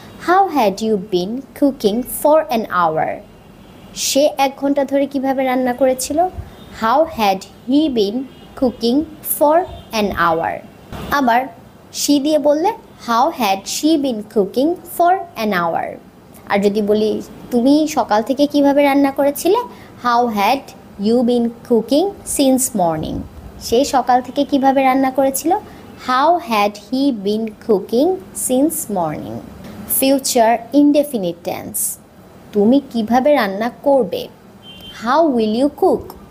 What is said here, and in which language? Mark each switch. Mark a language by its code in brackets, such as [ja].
[en] How had you been cooking for an hour? [bn] সে এক ঘন্টা ধরে কিভাবে রান্না করেছিল? [en] How had he been cooking for an hour? [bn] আবার [en] she [bn] দিয়ে বললে [en] How had she been cooking for an hour? [bn] আর যদি বলি তুমি সকাল থেকে কিভাবে রান্না করেছিলে? [en] How had you been cooking since morning? [bn] সে সকাল থেকে কিভাবে রান্না করেছিল? [en] How had he been cooking since morning? [bn] Future indefinite tense. তুমি কিভাবে রান্না করবে? [en] How will you cook?